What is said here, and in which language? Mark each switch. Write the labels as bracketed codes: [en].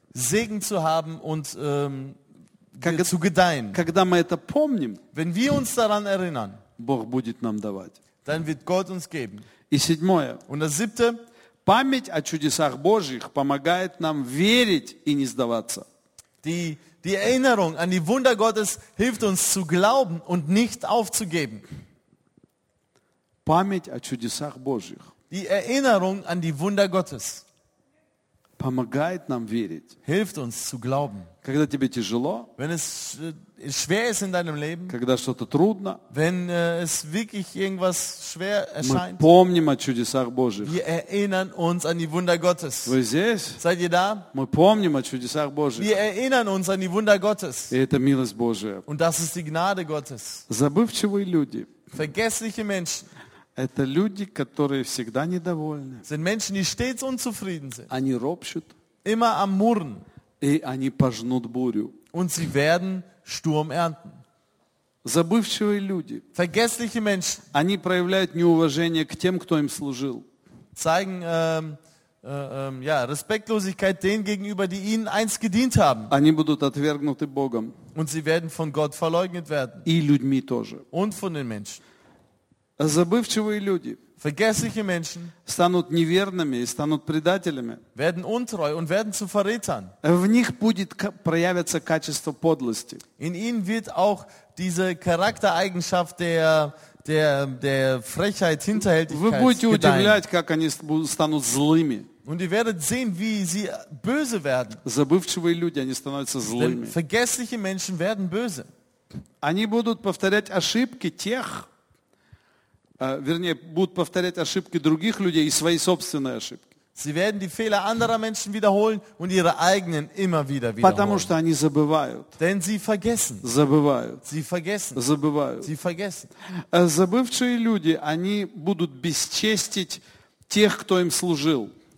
[de] Segen zu haben und zu gedeihen. [ru] Когда мы это помним, [de] wenn wir uns daran erinnern, [ru] Бог будет нам давать. [de] Dann wird Gott uns geben. [ru] И седьмое. [de] Und das siebte. [ru] Память о чудесах Божьих помогает нам верить и не сдаваться. [de] Die Erinnerung an die Wunder Gottes hilft uns zu glauben und nicht aufzugeben. [ru] Память о чудесах Божьих. [de] Die Erinnerung an die Wunder Gottes [ru] помогает нам верить. [de] Hilft uns zu glauben. [ru] Когда тебе тяжело, [de] wenn es schwer ist in deinem Leben, [ru] когда что-то трудно, [de] wenn es wirklich irgendwas schwer erscheint, [ru] мы помним о чудесах Божьих. [de] Wir erinnern uns an die Wunder Gottes. [ru] Вы здесь? [de] Seid ihr da? [ru] Мы помним о чудесах Божьих. [de] Wir erinnern uns an die Wunder Gottes. [ru] И это милость Божия. [de] Und das ist die Gnade Gottes. [ru] Забывчивые люди. [de] Vergessliche Menschen. [ru] Это люди, которые всегда недовольны. [de] Sind Menschen, die stets unzufrieden sind. [ru] Они ропщут. [de] Immer am Murren. [ru] И они пожнут бурю. [de] Und sie werden Sturm ernten. [ru] Забывчивые люди. [de] Vergessliche Menschen. [ru] Они проявляют неуважение к тем, кто им служил. [de] Zeigen Respektlosigkeit denen gegenüber, die ihnen einst gedient haben. [ru] Они будут отвергнуты Богом. [de] Und sie werden von Gott verleugnet werden. [ru] И людьми тоже. [de] Und von den Menschen. [ru] Забывчивые люди. [de] Vergessliche Menschen [ru] станут неверными и станут предателями. [de] Werden untreu und werden zu Verrätern. [ru] В них будет проявиться качество подлости. [de] In ihnen wird auch diese Charaktereigenschaft der Frechheit, Hinterhältigkeit. [ru] Вы будете удивлять, как они станут злыми. [de] Und ihr werdet sehen, wie sie böse werden. [ru] Забывчивые люди, они становятся злыми. [de] Denn vergessliche Menschen werden böse. [ru] Они будут повторять ошибки тех. Вернее, будут повторять ошибки других людей и свои собственные ошибки. [de] Sie werden die Fehler anderer Menschen wiederholen und ihre eigenen immer wieder wiederholen. [ru] Потому что они забывают. [de] Denn sie vergessen. [ru] Забывают. [de] Sie vergessen. [ru] Забывают. [de] Sie vergessen. [ru] Забывчивые люди, они будут бесчестить тех, кто им служил.